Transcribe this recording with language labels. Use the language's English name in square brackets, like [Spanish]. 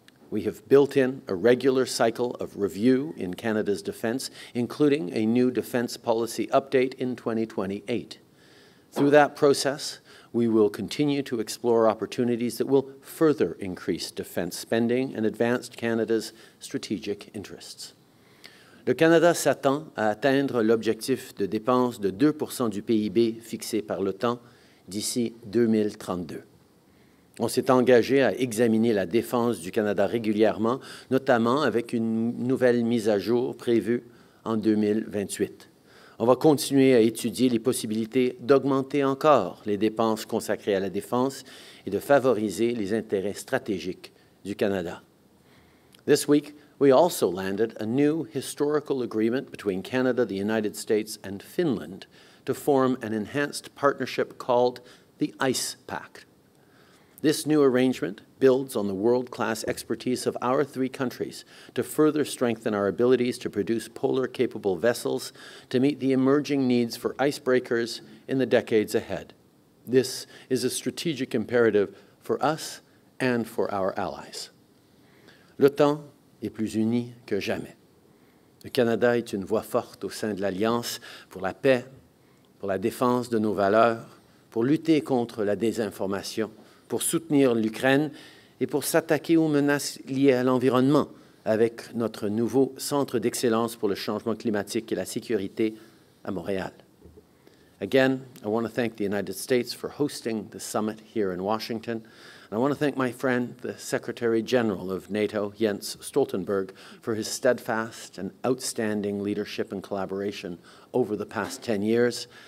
[English] We have built in a regular cycle of review in Canada's defence, including a new defence policy update in 2028. Through that process, we will continue to explore opportunities that will further increase defence spending and advance Canada's strategic interests. [French] Le Canada s'attend à atteindre l'objectif de dépenses de 2% du PIB fixé par l'OTAN d'ici 2032. On s'est engagé à examiner la défense du Canada régulièrement, notamment avec une nouvelle mise à jour prévue en 2028. On va continuer à étudier les possibilités d'augmenter encore les dépenses consacrées à la défense et de favoriser les intérêts stratégiques du Canada. [English] This week, we also landed a new historical agreement between Canada, the United States, and Finland to form an enhanced partnership called the ICE Pact. This new arrangement builds on the world-class expertise of our three countries to further strengthen our abilities to produce polar-capable vessels to meet the emerging needs for icebreakers in the decades ahead. This is a strategic imperative for us and for our allies. [French] L'OTAN est plus uni que jamais. Le Canada est une voix forte au sein de l'Alliance pour la paix, pour la défense de nos valeurs, pour lutter contre la désinformation, pour soutenir l'Ukraine et pour s'attaquer aux menaces liées à l'environnement avec notre nouveau Centre d'excellence pour le changement climatique et la sécurité à Montréal. [English] Again, I want to thank the United States for hosting the summit here in Washington. And I want to thank my friend, the Secretary General of NATO, Jens Stoltenberg, for his steadfast and outstanding leadership and collaboration over the past 10 years.